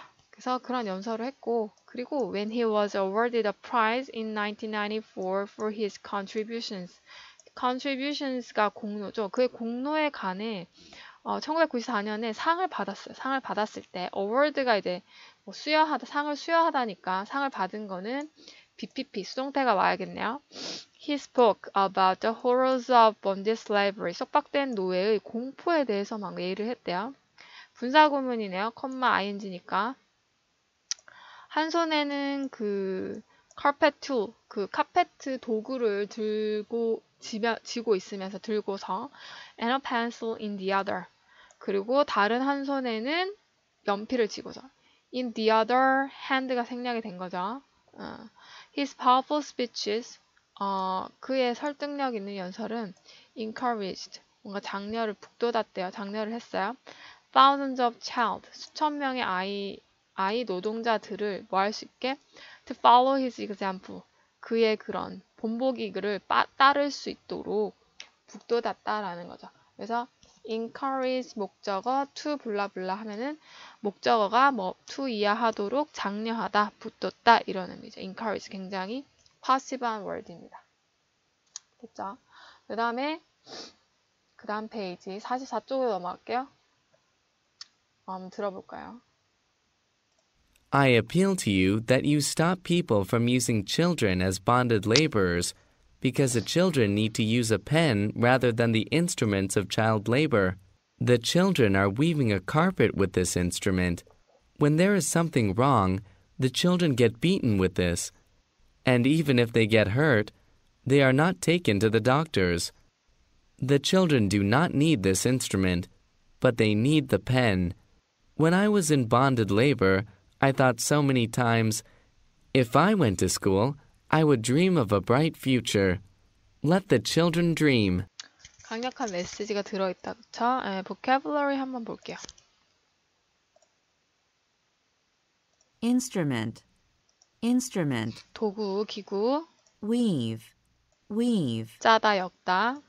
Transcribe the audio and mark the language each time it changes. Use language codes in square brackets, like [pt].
[ko] 그래서 그런 연설을 했고, 그리고 [en] when he was awarded a prize in 1994 for his contributions. [ko] contributions가 공로죠. 그의 공로에 관해 1994년에 상을 받았어요. 상을 받았을 때 award가 이제 뭐 수여하다, 상을 수여하다니까 상을 받은 거는 BPP, 수동태가 와야겠네요. [en] He spoke about the horrors of bonded slavery. [ko] 속박된 노예의 공포에 대해서 막 얘기를 했대요. 분사구문이네요. 콤마 ing니까. 한 손에는 그 carpet tool, 그 carpet 도구를 들고 있으면서 [en] and a pencil in the other. [ko] 그리고 다른 한 손에는 연필을 쥐고서. [en] in the other hand [ko] 가 생략이 된 거죠. [en] His powerful speeches, [ko] 그의 설득력 있는 연설은 encouraged, 뭔가 장려를 북돋았대요. 장려를 했어요. [en] Thousands of child, [ko] 수천 명의 아이 노동자들을 뭐 할 수 있게? [en] To follow his example, [ko] 그의 그런 본보기를 따를 수 있도록 북돋았다라는 거죠. 그래서 encourage 목적어 to 블라블라 하면은 목적어가 뭐 to 이하하도록 장려하다, 붙돋다 이런 의미죠. encourage 굉장히 passive한 word입니다. 됐죠? 그 다음 페이지 44쪽으로 넘어갈게요. 한번 들어볼까요? [en] I appeal to you that you stop people from using children as bonded laborers. Because the children need to use a pen rather than the instruments of child labor. The children are weaving a carpet with this instrument. When there is something wrong, the children get beaten with this. And even if they get hurt, they are not taken to the doctors. The children do not need this instrument, but they need the pen. When I was in bonded labor, I thought so many times, if I went to school, I would dream of a bright future. Let the children dream. [ko] 강력한 메시지가 들어있다, 그쵸? 네, vocabulary 한번 볼게요. [en] Instrument, instrument. [ko] 도구, 기구. [en] Weave, weave. [ko] 짜다, 엮다.